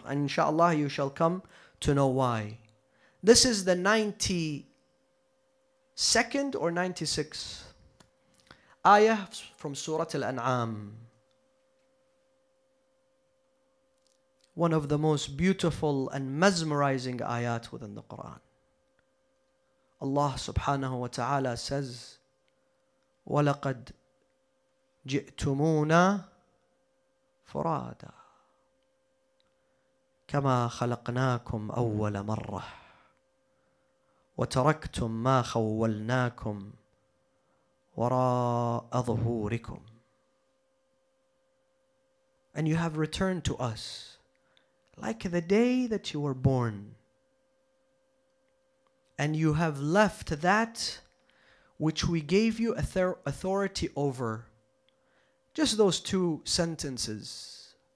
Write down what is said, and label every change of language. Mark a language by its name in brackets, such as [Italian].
[English] And inshallah, you shall come to know why. This is the 92nd or 96th ayah from Surah Al-An'am. One of the most beautiful and mesmerizing ayat within the Quran. Allah subhanahu wa ta'ala says, [Arabic] وَلَقَدْ جئتمونا فرادا كما خلقناكم أول مرة وتركتم ما خولناكم وراء ظهوركم. [English] And you have returned to us like the day that you were born, and you have left that which we gave you authority over. Just those 2 sentences.